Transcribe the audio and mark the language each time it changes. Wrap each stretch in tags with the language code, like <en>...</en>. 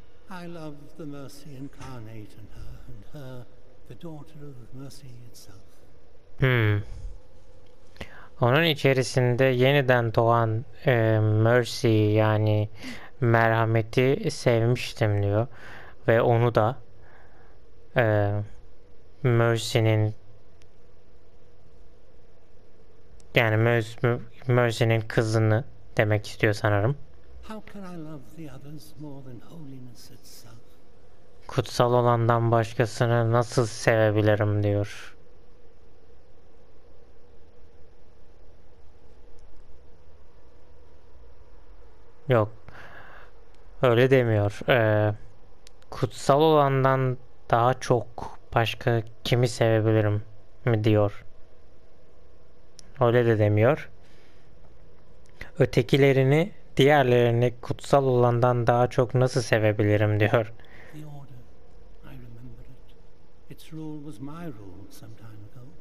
<en>I love the mercy incarnate and her and her, the daughter of mercy itself.</en> <tr>Onun içerisinde yeniden doğan Mercy, yani merhameti sevmiştim diyor. Ve onu da Mercy'nin, yani Mercy'nin kızını demek istiyor sanırım.</tr> <en>How can I love the others more than holiness itself?</en> <tr>Kutsal olandan başkasını nasıl sevebilirim diyor. Yok. Öyle demiyor. Kutsal olandan daha çok başka kimi sevebilirim mi diyor. Öyle de demiyor. Ötekilerini, diğerlerini kutsal olandan daha çok nasıl sevebilirim diyor.</tr> <en>The order, I remember it. Its rule was my rule some time ago.</en>